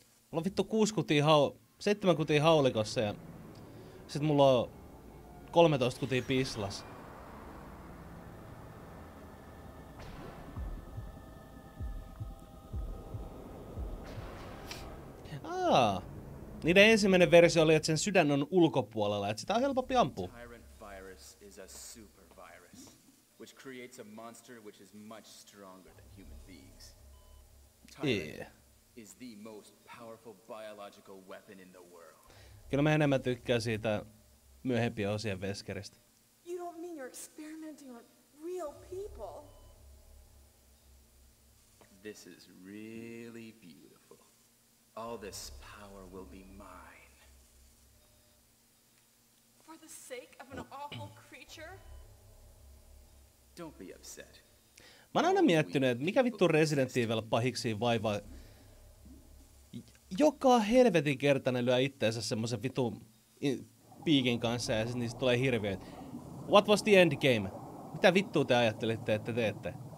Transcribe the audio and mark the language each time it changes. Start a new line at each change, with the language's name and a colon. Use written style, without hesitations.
Finnish: Mulla on vittu 7 kutia haulikossa ja... Sitten mulla on 13 kutia pislas. Ah, Niiden ensimmäinen versio oli, että sen sydän on ulkopuolella, että sitä on helpompi ampua.
English: Tyrant virus is a super virus, which creates a monster which is much stronger than human beings. Tyrant is the most powerful biological weapon in the world.
Finnish: Kyllä mä enemmän tykkään siitä myöhempien osien Veskeristä.
English: You don't mean you're experimenting on real people. This is really beautiful. All this power will be mine. For the sake of an awful creature? Don't be upset.
Finnish: Mä oon aina miettinyt, että mikä vittu Resident Evil pahiksiin vaivaa. Joka helvetin kerta ne lyö itteensä semmosen vitun piikin kanssa ja sitten niistä tulee hirveet.
English: What was the end game?
Finnish: Mitä vittua te ajattelitte, että teette?